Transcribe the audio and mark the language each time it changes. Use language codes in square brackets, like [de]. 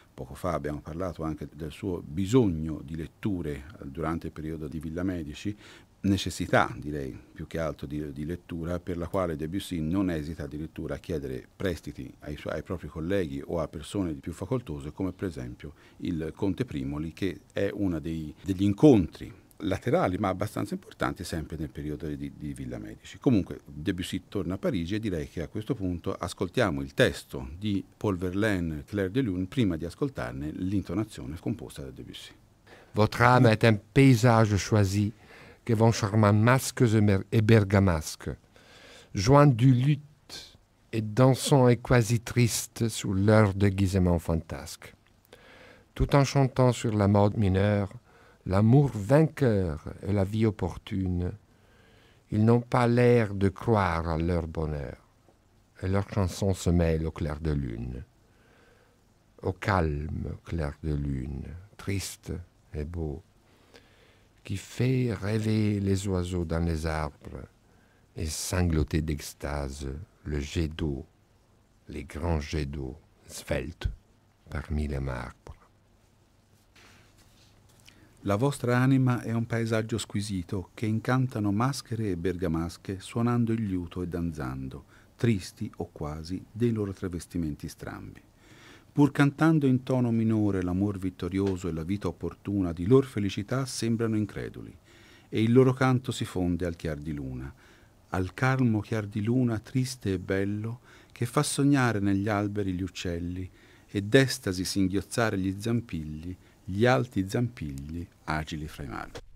[it] Poco fa abbiamo parlato anche del suo bisogno di letture durante il periodo di Villa Medici, necessità direi più che altro di lettura, per la quale Debussy non esita addirittura a chiedere prestiti ai propri colleghi o a persone più facoltose, come per esempio il Conte Primoli, che è uno degli incontri laterali ma abbastanza importanti sempre nel periodo di Villa Medici. Comunque Debussy torna a Parigi e direi che a questo punto ascoltiamo il testo di Paul Verlaine, Clair de Lune, prima di ascoltarne l'intonazione composta da Debussy. [fr] Votre âme est un paysage choisi que vont charmant masques et bergamasques, joint du luth et dansant et quasi triste sous leur déguisement fantasque. Tout en chantant sur la mode mineure, l'amour vainqueur et la vie opportune, ils n'ont pas l'air de croire à leur bonheur, et leur chanson se mêle au clair de lune, au calme clair de lune, triste et beau, qui fait rêver les oiseaux dans les arbres et sangloter d'extase le jet d'eau, les grands jets d'eau, sveltes parmi les marbres. [it] La vostra anima è un paesaggio squisito che incantano maschere e bergamasche suonando il liuto e danzando, tristi o quasi, dei loro travestimenti strambi. Pur cantando in tono minore l'amor vittorioso e la vita opportuna di lor felicità sembrano increduli e il loro canto si fonde al chiar di luna, al calmo chiar di luna triste e bello che fa sognare negli alberi gli uccelli e d'estasi singhiozzare gli zampilli, gli alti zampigli agili fra i mari.